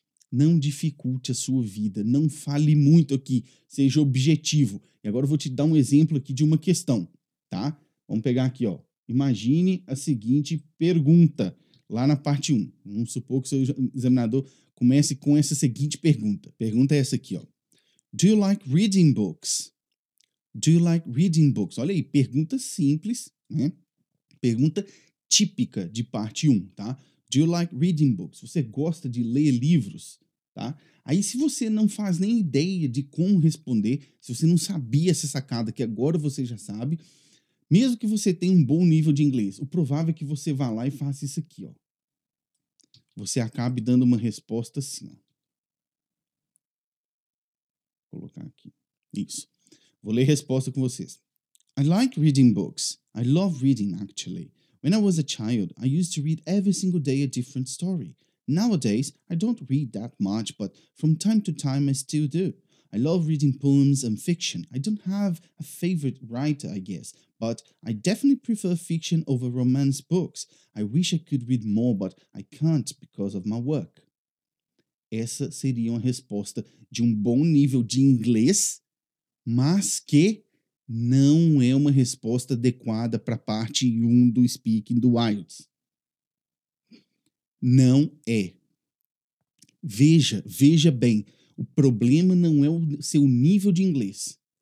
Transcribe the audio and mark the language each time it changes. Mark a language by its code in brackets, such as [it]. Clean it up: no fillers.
[pt] Não dificulte a sua vida, não fale muito aqui, seja objetivo. E agora eu vou te dar um exemplo aqui de uma questão, tá? Vamos pegar aqui, ó. Imagine a seguinte pergunta, lá na parte 1. Vamos supor que o seu examinador comece com essa seguinte pergunta. Pergunta é essa aqui, ó. [en] Do you like reading books? Do you like reading books? [pt] Olha aí, pergunta simples, né? Pergunta típica de parte 1, tá? [en] Do you like reading books? [pt] Você gosta de ler livros, tá? Aí se você não faz nem ideia de como responder, se você não sabia essa sacada que agora você já sabe, mesmo que você tenha um bom nível de inglês, o provável é que você vá lá e faça isso aqui, ó. Você acabe dando uma resposta assim, ó. Vou colocar aqui. Isso. Vou ler a resposta com vocês. [en] I like reading books. I love reading, actually. When I was a child, I used to read every single day a different story. Nowadays, I don't read that much, but from time to time I still do. I love reading poems and fiction. I don't have a favorite writer, I guess, but I definitely prefer fiction over romance books. I wish I could read more, but I can't because of my work. [pt] Essa seria uma resposta de um bom nível de inglês, mas que não é uma resposta adequada para a parte 1 do speaking do IELTS. Não é. Veja bem. O problema não é o seu nível de inglês.